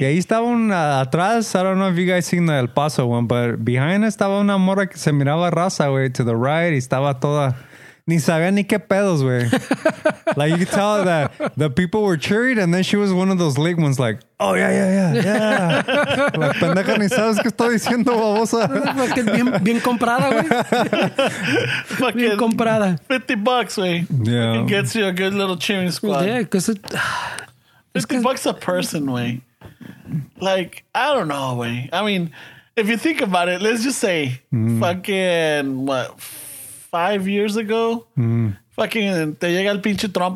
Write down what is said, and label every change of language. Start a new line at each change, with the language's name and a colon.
Spanish: Y ahí estaba un atrás.
English: I don't know if you guys seen the El Paso one, but behind
Spanish: estaba una mora que se miraba raza, güey,
English: to the right.
Spanish: Y estaba toda... Ni sabía ni qué pedos, güey.
English: Like, you could tell that the people were cheering, and then she was one of those late ones, like, oh, yeah.
Spanish: La pendeja ni sabes qué estoy diciendo, babosa. Bien comprada, güey. Bien comprada. $50, güey.
English: Yeah. It gets you a good little cheering squad. Yeah, because it... $50 a person, güey. Like, I don't know, güey. I mean, if you think about it, let's just say fucking, what...
Spanish: 5
English: years ago, fucking
Spanish: te llega el pinche Trump.